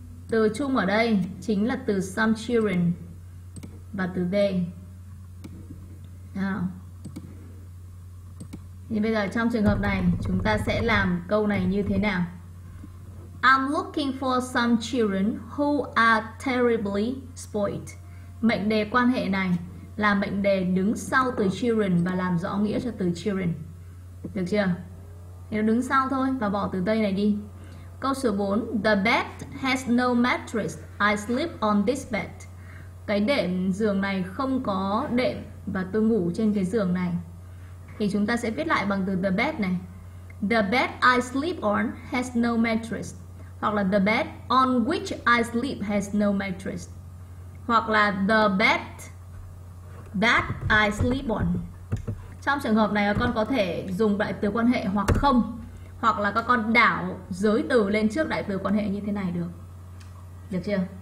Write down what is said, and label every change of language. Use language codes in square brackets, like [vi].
[vi] Từ chung ở đây chính là từ [en] some children [vi] và từ they. Nào. Thì bây giờ trong trường hợp này chúng ta sẽ làm câu này như thế nào? [en] I'm looking for some children who are terribly spoiled. [vi] Mệnh đề quan hệ này là mệnh đề đứng sau từ children và làm rõ nghĩa cho từ children. Được chưa? Thì nó đứng sau thôi và bỏ từ đây này đi. Câu số 4. [en] The bed has no mattress. I sleep on this bed. [vi] Cái đệm giường này không có đệm và tôi ngủ trên cái giường này. Thì chúng ta sẽ viết lại bằng từ the bed này. [en] The bed I sleep on has no mattress. [vi] Hoặc là [en] the bed on which I sleep has no mattress. [vi] Hoặc là [en] the bed that I sleep on. [vi] Trong trường hợp này các con có thể dùng đại từ quan hệ hoặc không, hoặc là các con đảo giới từ lên trước đại từ quan hệ như thế này được. Được chưa?